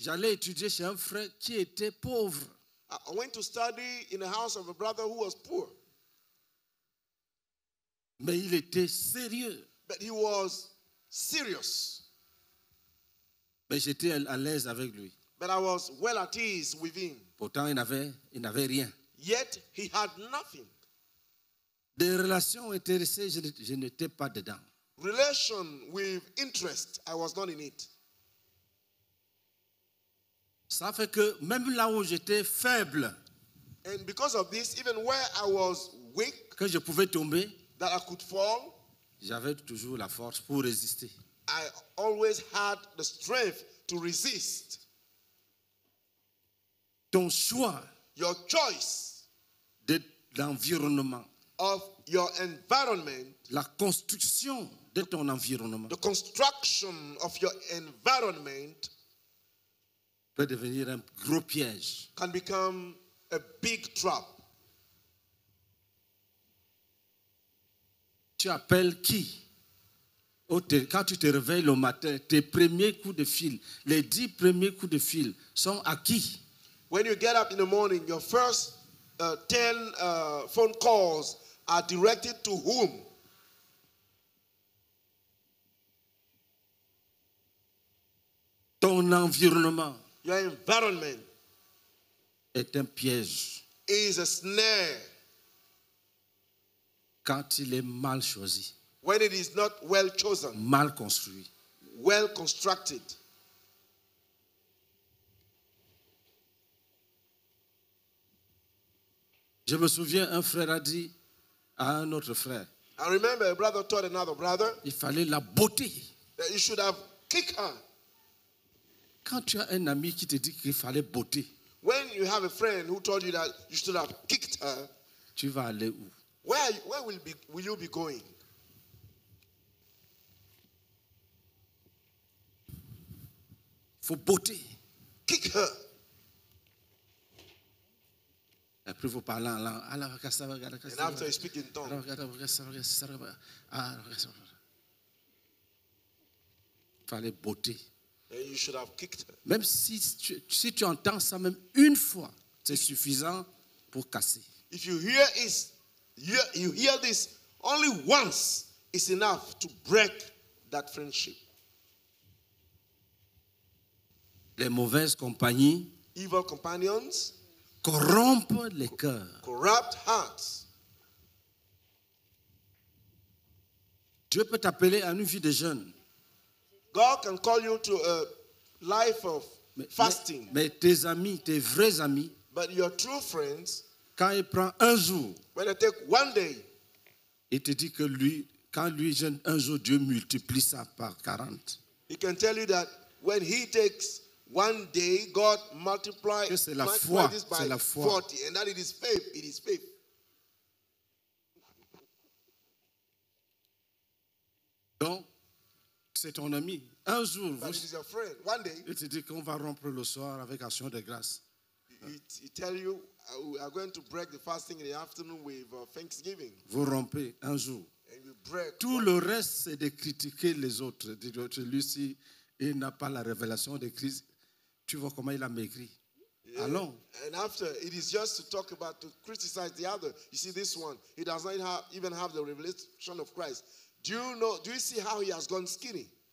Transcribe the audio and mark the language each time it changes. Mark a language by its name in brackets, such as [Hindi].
[French] j'allais étudier chez un frère qui était pauvre. [English] I went to study in the house of a brother who was poor. [French] Mais il était sérieux. [English] But he was serious. [French] Mais j'étais à l'aise avec lui. [English] But I was well at ease with him. [French] Pourtant, il n'avait rien. [English] Yet he had nothing. [French] Des relations intéressées, je n'étais pas dedans. [English] Relation with interest, I was not in it. [French] Ça fait que même là où j'étais faible, [English] and because of this, even where I was weak, [French] que je pouvais tomber, [English] that I could fall, [French] j'avais toujours la force pour résister. [English] I always had the strength to resist. [French] Ton choix, [English] your choice, [French] de l'environnement, [English] of your environment, [French] la construction de ton environnement, [English] the construction of your environment, [French] peut devenir un gros piège, [English] can become a big trap. [French] Tu appelles qui? Quand tu te réveilles le matin, tes premiers coups de fil, les 10 premiers coups de fil sont à qui? [English] When you get up in the morning, your first 10 phone calls are directed to whom? [French] ton environnement, [English] your environment, [French] est un piège. [English] Is a snare. [French] Quand il est mal choisi, [English] when it is not well chosen, [French] mal construit, [English] well constructed. [French] Je me souviens, un frère a dit à un autre frère, [English] I remember a brother told another brother, [French] il fallait la beauté. [English] That you should have kicked her. [French] Quand tu as un ami qui te dit qu'il fallait beauté, [English] when you have a friend who told you that you should have kicked her, [French] tu vas aller où? [English] Where will you be going? [French] For beauté. [English] Kick her. [French] Après vous parlez en langue, alors regarde ça, regarde ça. [English] And after you speak in tongues. [French] Fallait beauté. [English] And you should have kicked her. [French] Même si tu entends ça même une fois, c'est suffisant pour casser. [English] If you hear it, you hear this only once, it's enough to break that friendship. [French] Les mauvaises compagnies. [English] Evil companions. [French] Corrompre les cœurs. [English] Corrupt hearts. [French] Dieu peut t'appeler à une vie de jeûne. [English] God can call you to a life of fasting. [French] Mais tes amis, tes vrais amis, [English] but your true friends, [French] quand il prend un jour, [English] when they take one day, [French] il te dit que lui, quand lui jeûne un jour, Dieu multiplie ça par 40. [English] He can tell you that when he takes one day, God multiplied this by 40, and that it is faith. It is faith. [French] Donc, c'est ton ami. Un jour, [English] but it is your friend. One day, [French] il te dit qu'on va rompre le soir avec action de grâce. [English] He tell you, we are going to break the fasting in the afternoon with Thanksgiving. [French] Vous rompez un jour. [English] And you break. [French] Tout le reste, c'est de critiquer les autres. Celui-ci, il n'a pas la révélation de Christ. Tu vois comment il a maigri. Yeah. Allons. [English] And after, it is just to talk about, to criticize the other. You see this one, he does not even have the revelation of Christ. Do you see how he has gone skinny?